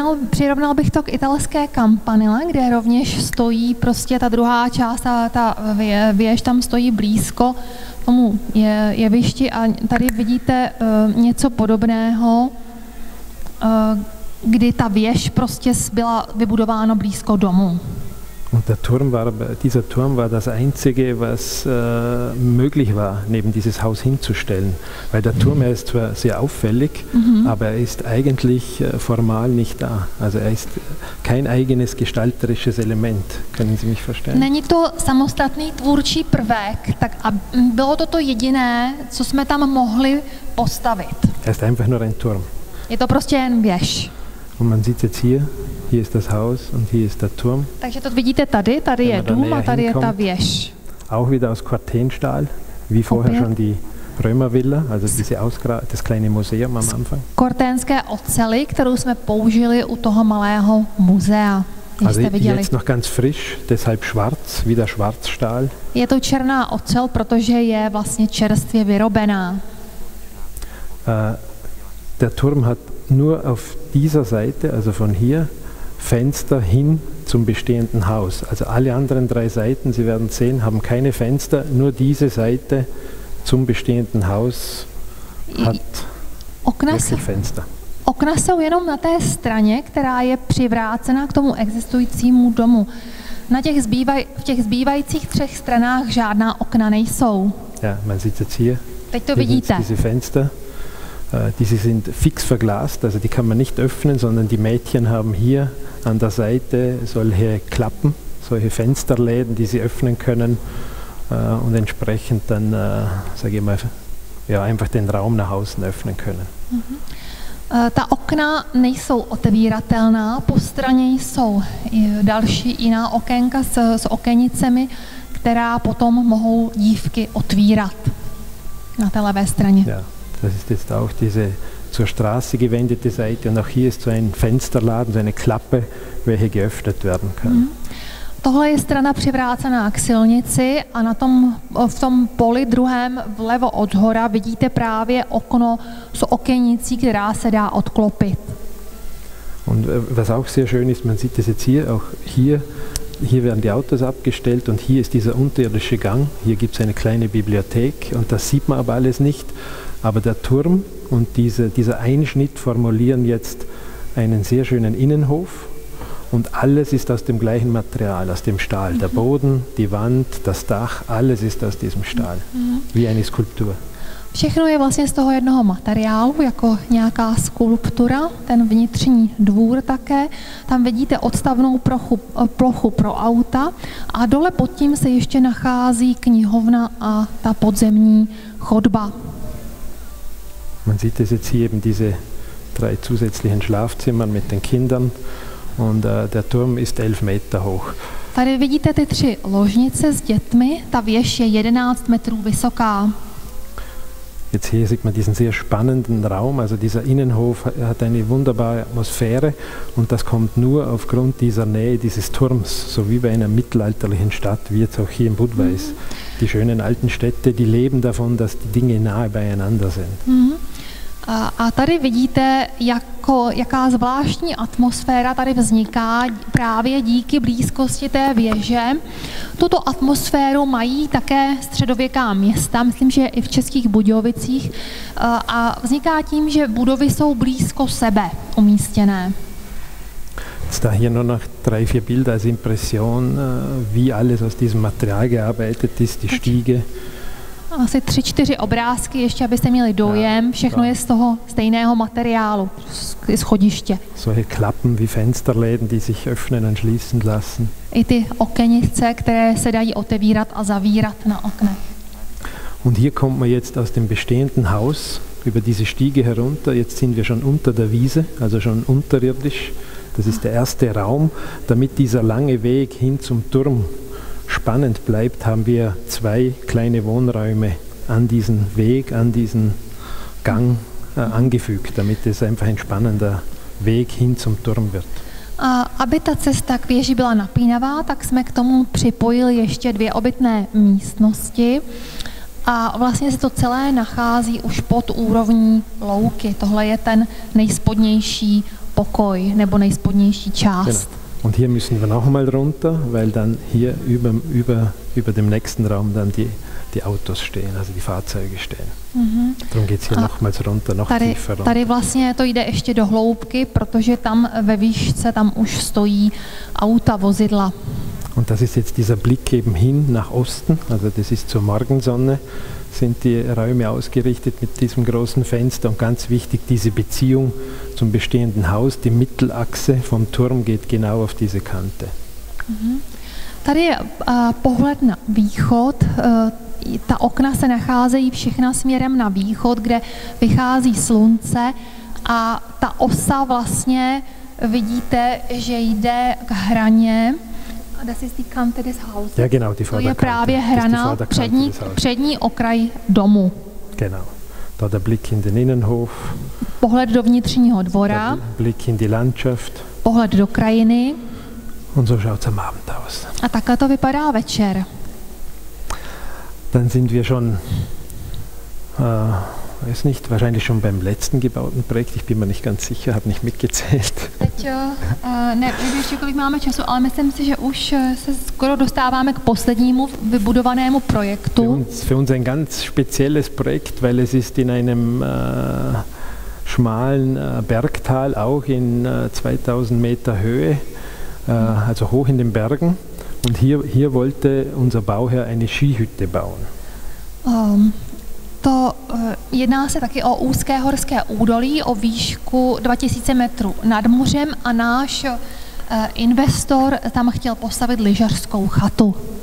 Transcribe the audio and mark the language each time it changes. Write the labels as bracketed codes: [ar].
[cs] Přirovnal bych to k italské Campanile, kde rovněž stojí prostě ta druhá část a ta věž tam stojí blízko tomu jevišti a tady vidíte něco podobného, kdy ta věž prostě byla vybudována blízko domu. [de] Und der Turm war, dieser Turm war das einzige, was möglich war, neben dieses Haus hinzustellen. Weil der Turm ist zwar sehr auffällig, aber er ist eigentlich formal nicht da. Also er ist kein eigenes gestalterisches Element. Können Sie mich verstehen? [cs] Není to samostatný tvůrčí prvek, tak bylo to jediné, co jsme tam mohli postavit. [de] Er ist einfach nur ein Turm. [cs] Je to prostě jen věž. [de] Und man sieht jetzt hier, hier ist das Haus und hier ist der Turm. [cs] Takže to vidíte tady, tady je dům a tady je ta věž. [de] Auch wieder aus Quartenstahl, wie vorher schon die Römervilla, also diese das kleine Museum am Anfang. [cs] Korténské oceli, kterou jsme použili u toho malého muzea. [de] Also jetzt noch ganz frisch, deshalb schwarz, wieder Schwarzstahl. [cs] Je to černá ocel, protože je vlastně čerstvě vyrobená. [de] Der Turm hat nur auf dieser Seite, also von hier, Fenster hin zum bestehenden Haus. Also alle anderen 3 Seiten, Sie werden sehen, haben keine Fenster, nur diese Seite zum bestehenden Haus hat [cs] okna [de] Fenster. [cs] Okna jsou jenom na té straně, která je přivrácena k tomu existujícímu domu. Na těch zbývajících třech stranách žádná okna nejsou. [de] Ja, man sieht jetzt hier. [cs] Teď to vidíte. [de] Diese Fenster, diese sind fix verglast, also die kann man nicht öffnen, sondern die Mädchen haben hier an der Seite solche Klappen, solche Fensterläden, die sie öffnen können und entsprechend dann, sage ich mal, ja, einfach den Raum nach außen öffnen können. [cs] Ta okna nejsou otevíratelná, po straně jsou další jiná okénka s okénicemi, která potom mohou dívky otvírat na té levé straně. [de] Ja, das ist jetzt auch diese zur Straße gewendete Seite und auch hier ist so ein Fensterladen, so eine Klappe, welche geöffnet werden kann. [cs] Tohle je strana přivrácená k silnici a na tom, v tom poli druhém vlevo od hora vidíte právě okno s okenicí, která se dá odklopit. [de] Und was auch sehr schön ist, man sieht es jetzt hier, auch hier, hier werden die Autos abgestellt und hier ist dieser unterirdische Gang, hier gibt es eine kleine Bibliothek und das sieht man aber alles nicht, aber der Turm und dieser Einschnitt formulieren jetzt einen sehr schönen Innenhof. Und alles ist aus dem gleichen Material, aus dem Stahl. Der Boden, die Wand, das Dach, alles ist aus diesem Stahl. Wie eine Skulptur. [cs] Všechno je vlastně z toho jednoho materiálu, jako nějaká skulptura, ten vnitřní dvůr také. Tam vidíte odstavnou plochu pro auta a dole pod tím se ještě nachází knihovna a ta podzemní chodba. [de] Man sieht es jetzt hier eben diese drei zusätzlichen Schlafzimmern mit den Kindern. Und der Turm ist 11 Meter hoch. [cs] Tady vidíte ty tři ložnice s dětmi, ta věž je 11 metrů vysoká. [de] Jetzt hier sieht man diesen sehr spannenden Raum, also dieser Innenhof hat eine wunderbare Atmosphäre und das kommt nur aufgrund dieser Nähe dieses Turms, so wie bei einer mittelalterlichen Stadt, wie jetzt auch hier in Budweis. Die schönen alten Städte, die leben davon, dass die Dinge nahe beieinander sind. [cs] A tady vidíte, jaká zvláštní atmosféra tady vzniká právě díky blízkosti té věže. Tuto atmosféru mají také středověká města, myslím, že i v Českých Budějovicích. A vzniká tím, že budovy jsou blízko sebe umístěné. [de] Da hier nur noch drei, vier Bilder als Impression, wie alles aus diesem Material gearbeitet ist, die Stiege. [cs] Asi 3-4 obrázky, ještě abyste měli dojem, všechno je z toho stejného materiálu, z schodiště. [de] Solche Klappen wie Fensterläden, die sich öffnen und schließen lassen. [cs] I ty okenice, které se dají otevírat a zavírat na okne. [de] Und hier kommt man jetzt aus dem bestehenden Haus über diese Stiege herunter. Jetzt sind wir schon unter der Wiese, also schon unterirdisch. Das ist der erste Raum, damit dieser lange Weg hin zum Turm spannend bleibt, haben wir zwei kleine Wohnräume an diesen Weg, an diesen Gang angefügt, damit es einfach ein spannender Weg hin zum Turm wird. [cs] A aby ta cesta k věži byla napínavá, tak jsme k tomu připojili ještě dvě obytné místnosti a vlastně se to celé nachází už pod úrovní louky. Tohle je ten nejspodnější pokoj nebo nejspodnější část. [de] Genau. Und hier müssen wir noch mal runter, weil dann hier über dem nächsten Raum dann die Autos stehen, also die Fahrzeuge stehen. Darum geht's hier nochmals runter, noch [cs] tady, [de] tiefer runter. [cs] Tady vlastně to jde ještě do hloubky, protože tam ve výšce tam už stojí auta, vozidla. [de] Und das ist jetzt dieser Blick eben hin nach Osten, also das ist zur Morgensonne, sind die Räume ausgerichtet mit diesem großen Fenster und ganz wichtig diese Beziehung zum bestehenden Haus, die Mittelachse vom Turm geht genau auf diese Kante. [cs] Tady je pohled na východ, ta okna se nacházejí všechna směrem na východ, kde vychází slunce a ta osa vlastně vidíte, že jde k hraně. [de] Das ist die Kante des Hauses. Ja, genau, die Vorderkante. [cs] To je právě hrana, přední okraj domu. [de] Genau. Da der Blick in den Innenhof. [cs] Pohled do vnitřního dvora. [de] Blick in die Landschaft. [cs] Pohled do krajiny. [de] Und so schaut's am Abend aus. [cs] A takhle to vypadá večer. [de] Dann sind wir schon, weiß nicht, wahrscheinlich schon beim letzten gebauten Projekt. Ich bin mir nicht ganz sicher, habe nicht mitgezählt. [cs] Teď ještě kolik máme času, ale myslím si, že už se skoro dostáváme k poslednímu vybudovanému projektu. [de] Für uns ein ganz spezielles Projekt, weil es ist in einem schmalen Bergtal, auch in 2000 Meter Höhe, also hoch in den Bergen. Und hier wollte unser Bauherr eine Skihütte bauen. [cs] To jedná se taky o úzké horské údolí, o výšku 2000 metrů nad mořem a náš investor tam chtěl postavit lyžařskou chatu.